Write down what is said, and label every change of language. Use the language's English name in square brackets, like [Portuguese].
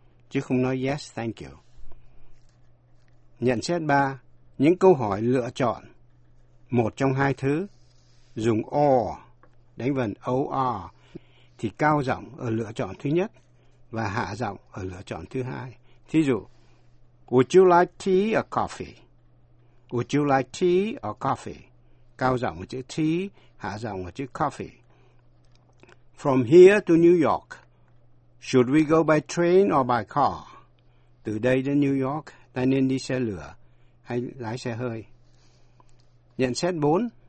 [Vietnamese] Chứ không nói [English] yes, thank you. [Vietnamese] Nhận xét 3. Những câu hỏi lựa chọn một trong hai thứ, dùng or, đánh vần or, thì cao giọng ở lựa chọn thứ nhất và hạ giọng ở lựa chọn thứ hai. Thí dụ, [English] would you like tea or coffee? Would you like tea or coffee? [Vietnamese] Cao giọng ở chữ tea, hạ giọng ở chữ coffee. [English] From here to New York, should we go by train or by car? [Vietnamese] Từ đây đến New York, ta nên đi xe lửa hay lái xe hơi? Nhận xét 4.